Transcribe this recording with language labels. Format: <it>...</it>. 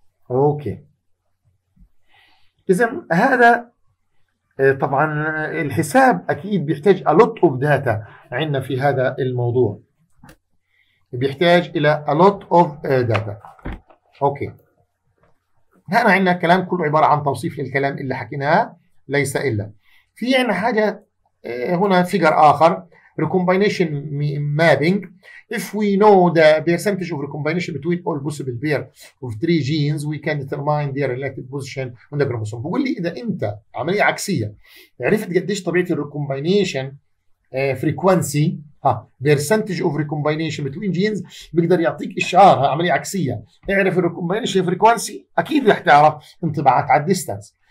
<ar>اوكي، اذا هذا طبعا الحساب اكيد بيحتاج</ar> <en>a lot of data</en> <ar>عندنا في هذا الموضوع، بيحتاج الى a lot of data. اوكي، هنا عندنا كلام كله عبارة عن توصيف للكلام اللي حكيناه، ليس الا في عندنا حاجة هنا فيجر اخر recombination mapping.</ar> <en>If we know the percentage of recombination between all possible pair of three genes we can determine their relative position on the chromosome.</en> <ar>بقول لي اذا انت عملية عكسية عرفت قديش طبيعة recombination frequency</ar> <en>percentage of recombination between genes،</en> <ar>بيقدر يعطيك اشعار، عملية عكسية، اعرف recombination frequency اكيد رح تعرف انطباعات على distance.</ar>